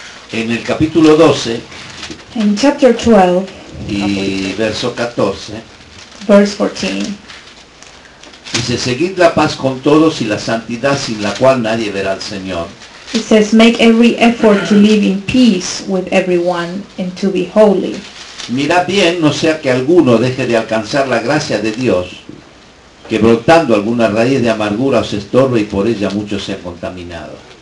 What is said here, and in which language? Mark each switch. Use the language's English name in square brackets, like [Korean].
[Spanish] En el capítulo 12. [English] In chapter 12. [Spanish] Y verso 14. [English] Verse 14. [Spanish] Y Dice, seguid la paz con todos y la santidad sin la cual nadie verá al Señor. [English] It says, make every effort to live in peace with everyone and to be holy. [Spanish] Mira bien, no sea que alguno deje de alcanzar la gracia de Dios, que brotando alguna raíz de amargura os estorbe y por ella muchos sean contaminados.